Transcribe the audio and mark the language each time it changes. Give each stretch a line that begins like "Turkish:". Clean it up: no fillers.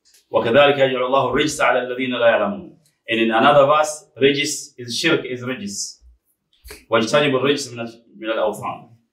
Arabic: وكذلك يجعل الله الرجس على الذين لا يعلمون.
English: And in another verse, رجس is shirk is رجس.
Arabic: واجتنب الرجس من الأوثان.